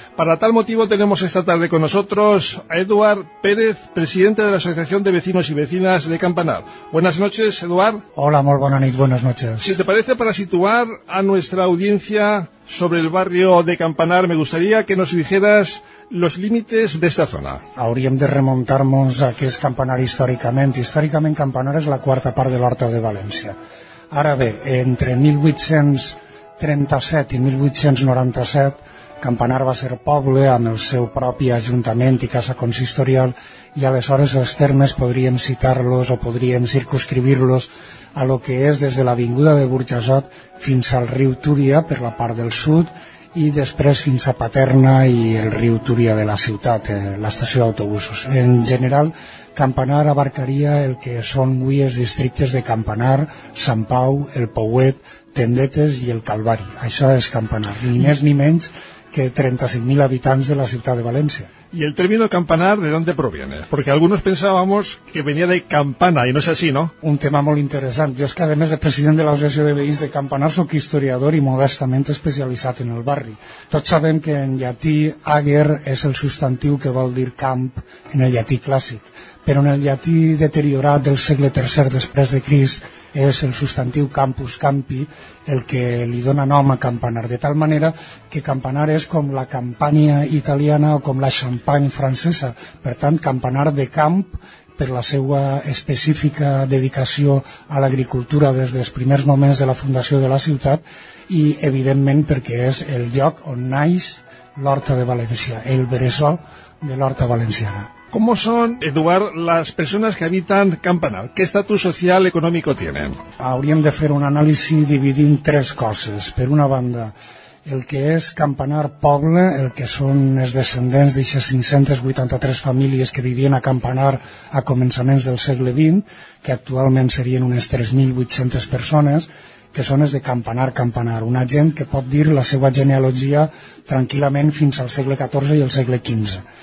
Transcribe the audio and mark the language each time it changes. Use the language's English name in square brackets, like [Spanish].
[Spanish] Para tal motivo tenemos esta tarde con nosotros a Eduard Pérez, presidente de la Asociación de Vecinos y Vecinas de Campanar. Buenas noches, Eduard. Hola, muy buena noche, buenas noches. Si te parece, para situar a nuestra audiencia sobre el barrio de Campanar, me gustaría que nos dijeras los límites de esta zona. [Catalan] Hauríem de remontar-nos a què és Campanar històricament. Històricament, Campanar és la quarta part de l'Horta de València. Ara bé, entre 1837 i 1897, Campanar va ser poble amb el seu propi ajuntament i casa consistorial, i aleshores els termes podríem citar-los o podríem circumscriure-los a lo que és des de l'avinguda de Burjassot fins al riu Túria per la part del sud, i després fins a Paterna i el riu Túria de la ciutat, l'estació d'autobusos. En general, Campanar abarcaria el que són avui els districtes de Campanar, Sant Pau, el Pouet, Tendetes i el Calvari. Això és Campanar, ni més ni menys que 35.000 habitants de la ciutat de València. [Spanish] ¿Y el término campanar de dónde proviene? Porque algunos pensábamos que venía de campana, y no es así, ¿no? Un tema muy interesante. Yo es que además de presidente de la Asociación de Veïns de Campanar, soy historiador y modestamente especializado en el barrio. Todos saben que en llatí, ager es el sustantivo que [Catalan] vol dir camp [Spanish] en el llatí clásico. Pero en el llatí deteriorado del segle III después de Crist, es el sustantivo campus campi el que [Catalan] li dona nom a Campanar, [Spanish] de tal manera que Campanar [Catalan] és com la Campania italiana o com la Champagne francesa. Per tant, Campanar de camp, per la seva específica dedicació a l'agricultura des dels primers moments de la fundació de la ciutat, i evidentment perquè és el lloc on naix l'Horta de València, el bressol de l'Horta valenciana. [Spanish] ¿Cómo son, Eduard, las personas que habitan Campanar? ¿Qué estatus social económico tienen? [Catalan] Hauríem de fer un anàlisi dividint tres coses. Per una banda, el que és Campanar poble, el que són els descendents d'aixes 583 famílies que vivien a Campanar a començaments del segle XX, que actualment serien unes 3.800 persones, que són els de Campanar, una gent que pot dir la seva genealogia tranquil·lament fins al segle XIV i el segle XV.